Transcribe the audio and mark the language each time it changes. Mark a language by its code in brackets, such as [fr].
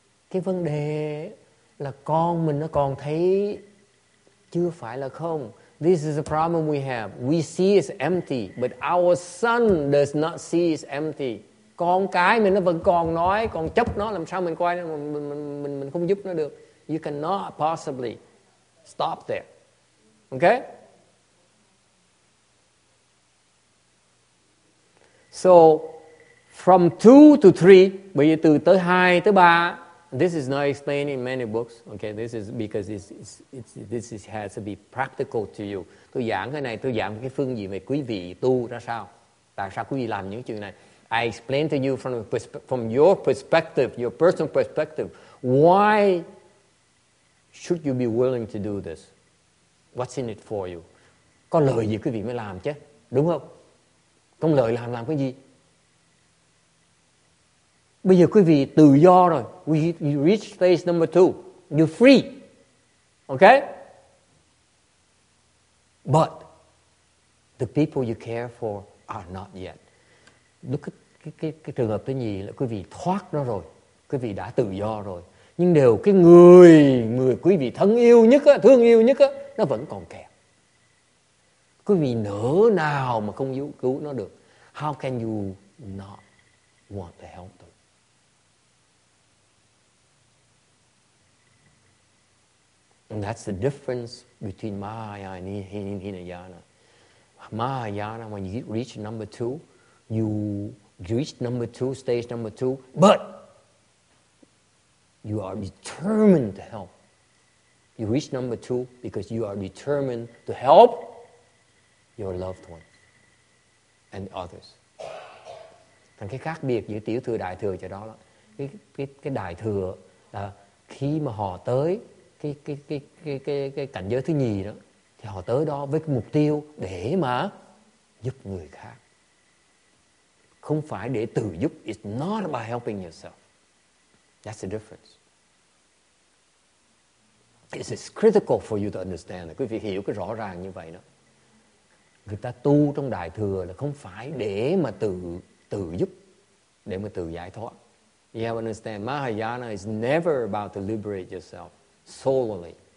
[vi] Cái vấn đề là con mình nó còn thấy chưa phải là không. [en] This is a problem we have. We see it's empty, but our son does not see it's empty. [vi] Con cái mình nó vẫn còn nói, còn chấp nó, làm sao mình quay, mình không giúp nó được. [en] You cannot possibly stop there. Okay? So, from 2 to 3, [vi] bây giờ từ tới 2, tới 3, [en] this is not explained in many books, okay? This is because this has to be practical to you. [vi] Tôi giảng cái này, tôi giảng cái phương diện về quý vị tu ra sao? Tại sao quý vị làm những chuyện này? [en] I explain to you from your perspective, your personal perspective, why should you be willing to do this? What's in it for you? [vi] Có lời gì quý vị mới làm chứ? Đúng không? Không lời làm cái gì? Bây giờ quý vị tự do rồi. [en] We reach phase number 2. You're free. Okay? But the people you care for are not yet. [vi] Đúng cái trường hợp thứ nhì là quý vị thoát nó rồi, quý vị đã tự do rồi. Nhưng đều cái người quý vị thân yêu nhất á, thương yêu nhất á, nó vẫn còn kẹt. Quý vị nỡ nào mà không cứu nó được? [en] How can you not want to help them? And that's the difference between Mahayana and Hinayana. Mahayana, when you reach number two, you reach number two, stage number two, but you are determined to help. You reach number two because you are determined to help your loved one and others. [vi] Thành cái khác biệt giữa tiểu thừa đại thừa chỗ đó là cái đại thừa là khi mà họ tới cái cảnh giới thứ nhì đó thì họ tới đó với cái mục tiêu để mà giúp người khác. Không phải để tự giúp. [en] It's not about helping yourself. That's the difference. It's critical for you to understand. [vi] Quý vị hiểu cái rõ ràng như vậy đó. Người ta tu trong đại thừa là không phải để mà tự giúp, để mà tự giải thoát. [en] You have to understand, Mahayana is never about to liberate yourself solely.